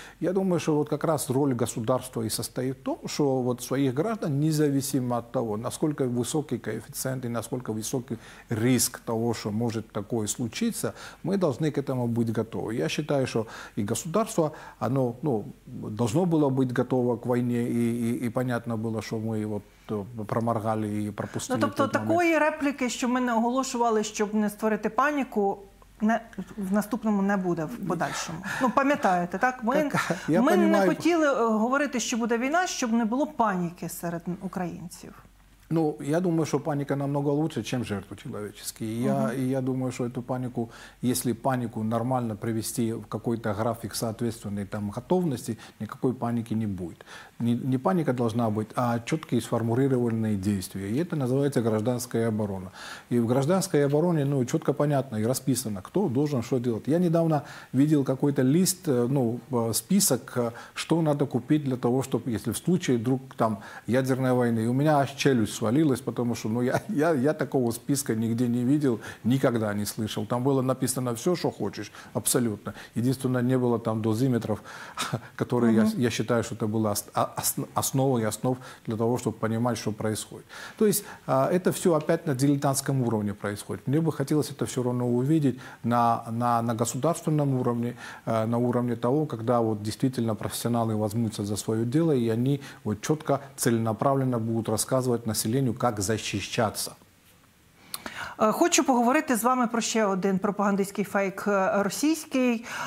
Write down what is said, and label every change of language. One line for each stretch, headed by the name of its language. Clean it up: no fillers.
Russian: Я думаю, что вот как раз роль государства и состоит в том, что вот своих граждан, независимо от того, насколько высокий коэффициент и насколько высокий риск того, что может такое случиться, мы должны к этому быть готовы. Я считаю, что и государство, оно, ну, должно было быть готово к войне, и понятно было, что мы вот проморгали
Ukrainian: і пропустили. Ну, тобто такої репліки, що ми не оголошували, щоб не створити паніку, в наступному не буде в подальшому. Ну, пам'ятаєте, так? Ми не хотіли говорити, що буде війна, щоб не було паніки серед українців. Ну, я думаю, що паніка намного краще, ніж жертви людські. Я думаю, що цю паніку, якщо паніку нормально привести в якийсь графік відповідної там готовності, ніякої паніки не буде. Не паніка повинна бути, а чіткі сформулювані дії. І це називається громадянська оборона. І в громадянській обороні, ну, чітко понятно і розписано, хто має що робити. Я недавно бачив якийсь лист, ну, список, що треба купити для того, щоб, якщо в разі вдруг там ядерної війни, і у мене аж челюсть свалилось,
Russian: потому что, ну, я такого списка нигде не видел, никогда не слышал. Там было написано все, что хочешь, абсолютно. Единственное, не было там дозиметров, которые я считаю, что это было основой основ для того, чтобы понимать, что происходит. То есть это все опять на дилетантском уровне происходит. Мне бы хотелось это все равно увидеть на государственном уровне, на уровне того, когда вот действительно профессионалы возьмутся за свое дело, и они вот четко, целенаправленно будут рассказывать населенню,
Ukrainian: як захищатися. Хочу поговорити з вами про ще один пропагандистський фейк російський.